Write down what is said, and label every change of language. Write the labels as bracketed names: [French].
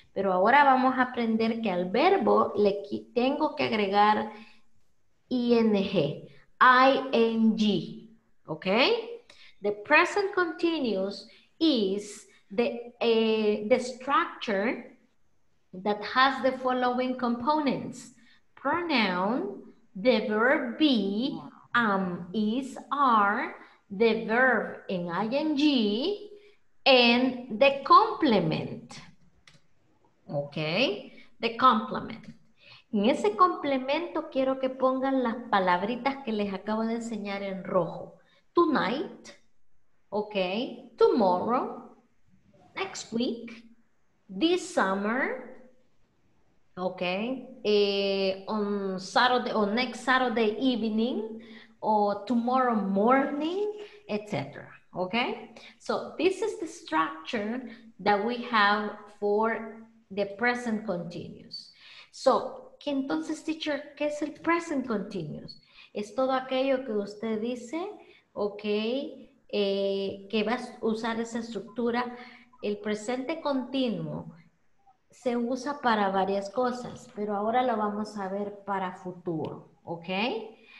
[Spanish] Pero ahora vamos a aprender que al verbo le tengo que agregar ing, ing. [English] Okay, the present continuous is the structure that has the following components: pronoun, the verb be, is, are, the verb in ing, and the complement. Okay, the complement. [Spanish] En ese complemento quiero que pongan las palabritas que les acabo de enseñar en rojo. [English] Tonight, okay, tomorrow, next week, this summer, okay, on Saturday or next Saturday evening, or tomorrow morning, etc. Okay, so this is the structure that we have for the present continuous. [Spanish] So, ¿qué entonces, teacher, qué es el present continuous? Es todo aquello que usted dice. Okay, que vas a usar esa estructura. El presente continuo se usa para varias cosas, pero ahora lo vamos a ver para futuro, okay?